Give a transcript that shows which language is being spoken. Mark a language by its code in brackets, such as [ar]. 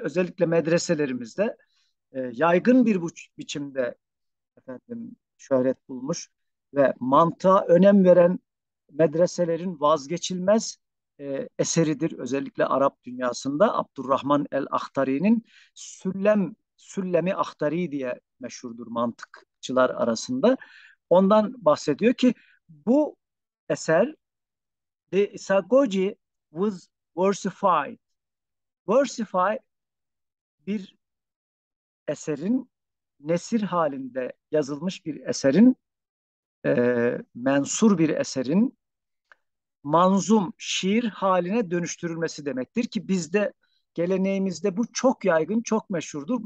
[tr] Özellikle medreselerimizde yaygın bir biçimde efendim şöhret bulmuş ve mantığa önem veren medreselerin vazgeçilmez eseridir. Özellikle Arap dünyasında Abdurrahman el-Ahtari'nin Süllemi Ahtari diye meşhurdur mantıkçılar arasında. Ondan bahsediyor ki bu eser [en] The Isagoji was versified. [tr] Versify bir eserin nesir halinde yazılmış bir eserin, mensur bir eserin manzum şiir haline dönüştürülmesi demektir ki bizde geleneğimizde bu çok yaygın, çok meşhurdur.